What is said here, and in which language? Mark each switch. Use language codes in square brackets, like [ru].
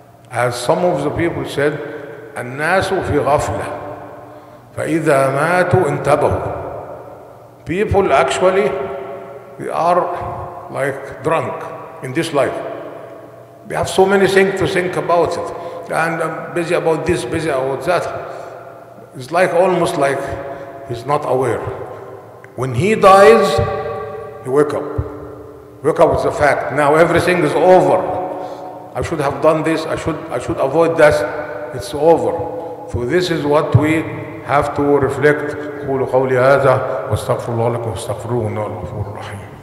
[en] As some of the people said, [ar] الناس في غفلة فإذا ماتوا انتبهوا. [en] People actually, they are like drunk in this life. They have so many things to think about it. And I'm busy about this, busy about that. It's like almost like he's not aware. When he dies, he wake up. Wake up with the fact. Now everything is over. I should have done this. I should avoid this. It's over. So this is what we have to reflect. [ar] قولوا قولي هذا واستغفر الله لكم واستغفروه إنه الغفور الرحيم.